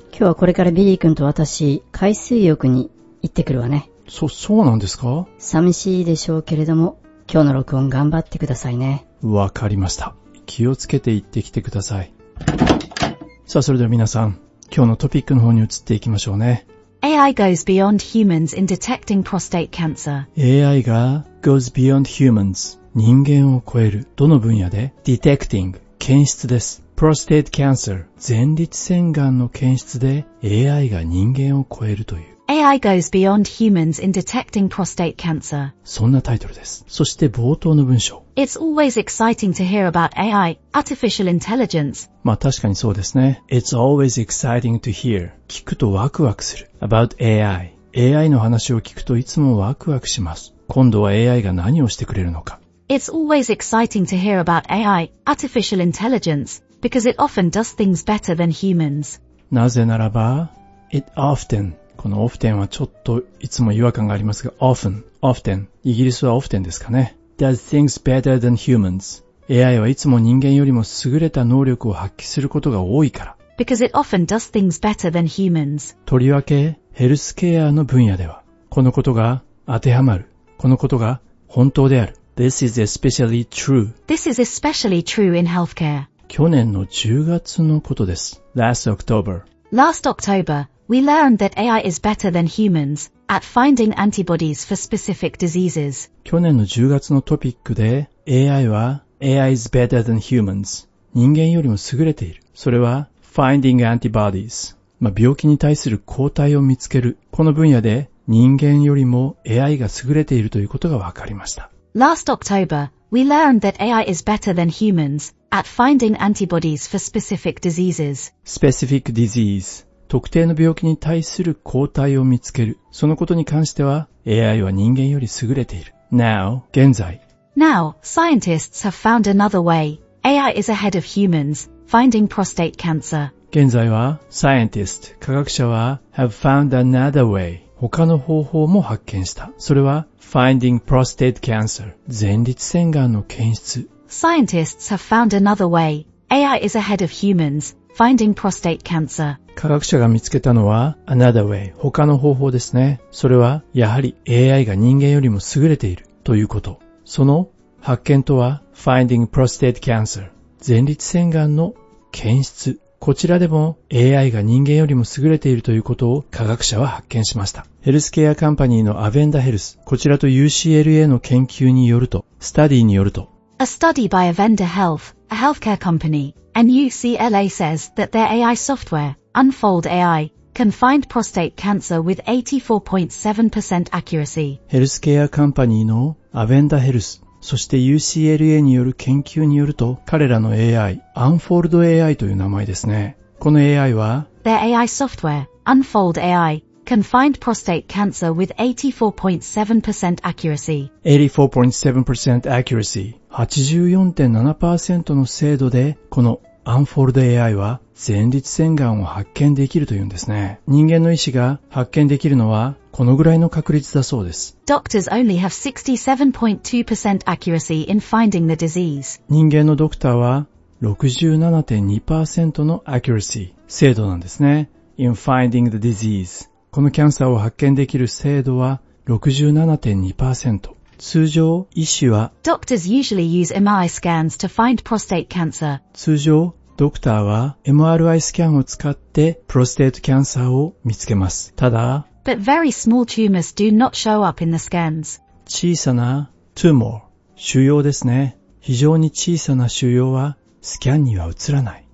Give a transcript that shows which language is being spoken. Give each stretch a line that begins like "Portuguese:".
Japanese: 今日はこれからビリー君と私、海水浴に行ってくるわね。そうなんですか？寂しいでしょうけれども、今日の録音頑張ってくださいね。わかりました。気をつけて行ってきてください。さあ、それでは皆さん、今日のトピックの方に移っていきましょうね。
English: AI goes beyond humans in detecting prostate cancer.
Japanese: AI が goes beyond humans. 人間を超える。どの分野で？Detecting. 検出です。
English: Prostate cancer.
Japanese: 前立腺がんの検出で AI が人間を超えるという。
English: AI goes beyond humans in detecting prostate cancer.
Japanese: そんなタイトルです。そして冒頭の文章。
English: It's always exciting to hear about AI, artificial intelligence.
Japanese: まあ確かにそうですね。
English: It's always exciting to hear.
Japanese: 聞くとワクワクする。 About AI. AI の話を聞くといつもワクワクします。今度は AI が何をしてくれるのか。
English: It's always exciting to hear about AI, artificial intelligence, because it often does things better than humans.
Japanese: なぜならば、 it often、この often はちょっといつも違和感がありますが、often、often、イギリスは often ですかね。
English: Does things better than humans.
Japanese: AI はいつも人間よりも優れた能力を発揮することが多いから。 Because it often does things better than humans. とりわけ、ヘルスケアの分野では、このことが当てはまる。このことが本当である。
English: This is especially true. This is especially true in healthcare.
Japanese: 去年の10月のことです。 Last October.
English: Last October, we learned that AI is better than humans. At finding antibodies for specific diseases.
Japanese: 去年の10月のトピックで AI は AI is better than humans. 人間よりも優れている。それは finding antibodies. まあ病気に対する抗体を見つける。この分野で人間よりも AI が優れているということが分かりました。
English: Last October, we learned that AI is better than humans at finding antibodies for specific diseases. Specific disease.
Japanese: 特定の病気に対する抗体を見つける。そのことに関しては AI は人間より優れている。
English: Now, 現在。 Now, scientists have found another way. AI is ahead of humans, finding prostate cancer.
Japanese: 現在は、scientist、科学者は have found another way。他の方法も発見した。それは finding prostate cancer、前立腺がんの検出。
English: Scientists have found another way. AI is ahead of humans, finding prostate cancer.
Japanese: 科学者が見つけたのは another way、他の方法ですね。それはやはり AI が人間よりも優れているということ。その発見とは finding prostate cancer、前立腺がんの検出。こちらでも AI が人間よりも優れているということを科学者は発見しました。ヘルスケアカンパニーのアベンダヘルス、こちらと UCLA の研究によると、
English: A study by Avenda Health, a healthcare company, and UCLA says that their AI software, Unfold AI,can find prostate cancer with 84.7% accuracy.
Japanese: ヘルスケアカンパニーのアベンダヘルス、そして UCLA による研究によると、彼らの AI、Unfold AI という名前ですね。この AI は、
English: Their AI software, Unfold AI, can find prostate cancer with 84.7% accuracy. 84.7% accuracy。
Japanese: 84.7% の精度で、このUnfold AI は前立腺がんを発見できるというんですね。人間の医師が発見できるのはこのぐらいの確率だそうです。
English: Doctors only have 67.2% accuracy in finding the disease.
Japanese: 人間のドクターは 67.2% の accuracy、精度なんですね。
English: in finding the disease。
Japanese: このキャンサーを発見できる精度は 67.2%。通常医師は
English: Doctors usually use MRI scans to find prostate cancer.
Japanese: 通常ドクターは MRI スキャンを使ってプロステートキャンサーを見つけます。ただ
English: But very small tumors do not show up in the scans.
Japanese: 小さな tumor、腫瘍ですね。非常に小さな腫瘍はスキャンには映らない。